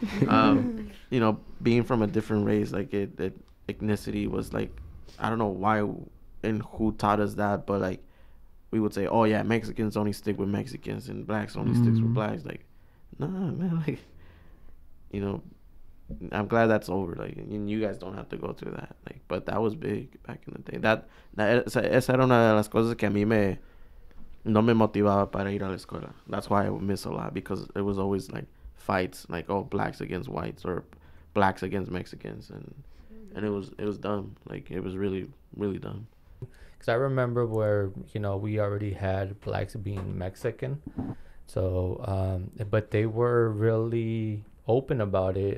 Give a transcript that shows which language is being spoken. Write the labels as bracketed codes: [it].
[en] you know, being from a different race, like, it ethnicity was, like, I don't know why and who taught us that, but, like, we would say, oh, yeah, Mexicans only stick with Mexicans and blacks only sticks with blacks. Like, nah, man, like, you know, I'm glad that's over. Like, and you guys don't have to go through that. Like, but that was big back in the day. [es] Esa era una de las cosas que a mí me... No me motivaba para ir a la escuela. [en] That's why I would miss a lot, because it was always like fights, like, oh, blacks against whites or blacks against Mexicans. And it was dumb. Like, it was really, really dumb. Because I remember where, you know, we already had blacks being Mexican. So, but they were really open about it.